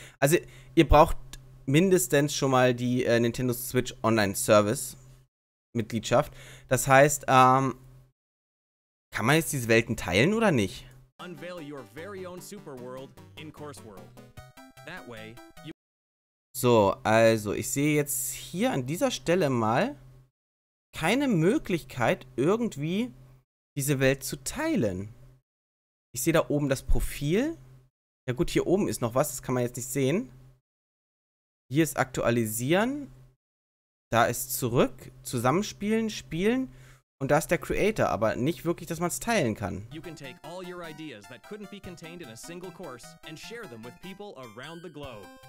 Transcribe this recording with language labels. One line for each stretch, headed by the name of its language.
German: Also, ihr braucht mindestens schon mal die Nintendo Switch Online Service Mitgliedschaft. Das heißt, kann man jetzt diese Welten teilen oder nicht?
English: Unveil your very own super world in course world. That way you-
German: so, also, ich sehe jetzt hier an dieser Stelle mal keine Möglichkeit, irgendwie diese Welt zu teilen. Ich sehe da oben das Profil. Ja gut, hier oben ist noch was, das kann man jetzt nicht sehen. Hier ist aktualisieren. Da ist zurück, zusammenspielen, spielen. Und da ist der Creator, aber nicht wirklich, dass man es teilen kann.
English: You can take all your ideas that couldn't be contained in a single course and share them with people around the globe.